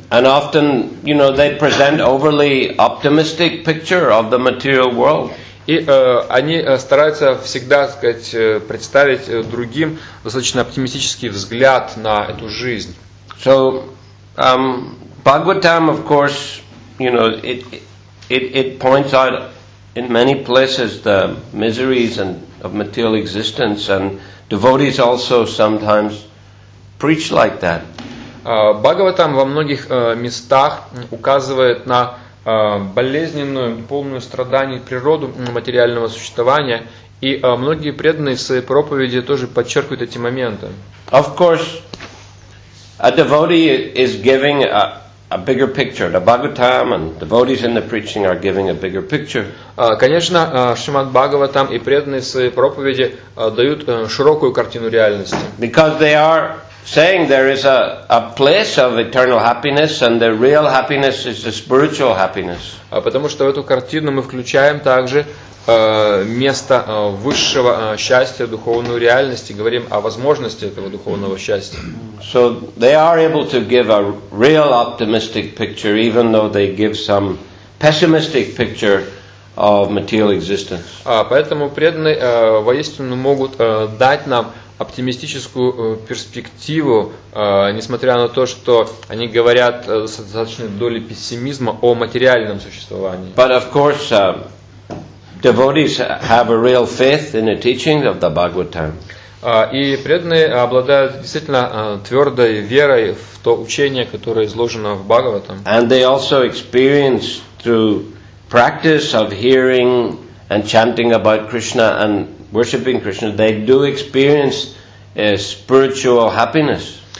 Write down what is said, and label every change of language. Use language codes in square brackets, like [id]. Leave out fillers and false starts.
[en] And often, you know, they present overly optimistic picture of the material world. [ru] И они стараются всегда, так сказать, представить другим достаточно оптимистический взгляд на эту жизнь. [en] So, Bhagavatam, of course, you know, it points out in many places the miseries and of material existence, and devotees also sometimes preach like that. [ru] Бхагаватам во многих местах указывает на болезненную, полную страданий природу материального существования, и многие преданные в своей проповеди тоже подчеркивают эти моменты. [en] Of course, a devotee is giving a bigger picture. The Bhagavatam and devotees in the preaching are giving a bigger picture. [ru] Конечно, Шримад Бхагаватам и преданные свои проповеди дают широкую картину реальности. [en] Because they are saying there is a place of eternal happiness and the real happiness is the spiritual happiness. [ru] Потому что в эту картину мы включаем также место высшего счастья, духовную реальность, и говорим о возможности этого духовного счастья. [en] So they are able to give a real optimistic picture, even though they give some pessimistic picture of material existence. [ru] Поэтому преданные воистину могут дать нам оптимистическую перспективу, несмотря на то, что они говорят с достаточной долей пессимизма о материальном существовании. [en] But of course, devotees have a real faith in the teachings of the Bhagavatam. [ru] И преданные обладают действительно твердой верой в то учение, которое изложено в Бхагаватам. [en] And they also experience through practice of hearing and chanting about Krishna and worshipping Krishna, they do experience a spiritual happiness.